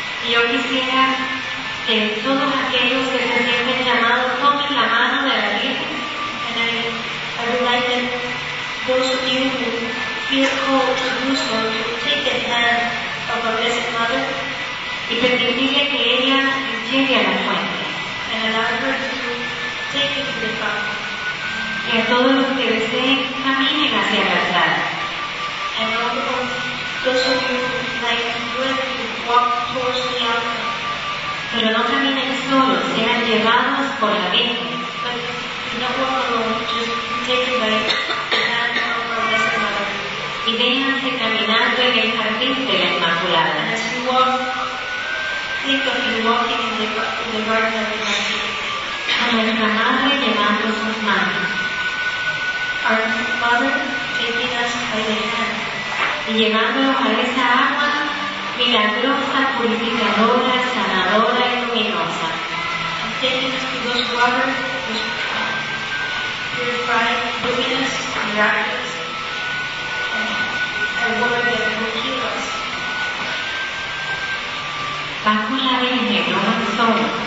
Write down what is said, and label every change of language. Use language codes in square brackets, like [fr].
[es] Y hoy quisiera que todos aquellos que se sienten llamados tomen la mano de la Virgen. [en] And I would like that those of you who feel called to do so to take the hand of our Blessed Mother [es] y permitirle que ella llegue a la fuente. [en] And allow her to take it to the path. [es] Y a todos los que deseen caminen hacia la verdad. [en] And all of those of you who like to do it, walk towards the altar. [es] Pero no caminen solos, sean llevados por la Virgen. [en] But not walk alone, just take it by the hand of our Blessed Mother. [es] Y déjense caminando en el jardín de la Inmaculada. [en] And as you walk, think of you walking in the garden of the Inmaculada. [es] A nuestra Madre llevando sus manos. [en] Our Mother taking us by the hand. [es] Y llevándonos a esa agua milagrosa, purificadora, sanadora y luminosa. [en] And taking us to those waters, those purified, luminous, miraculous, and water that will heal us. [es] Bajo la Virgen, no más solo.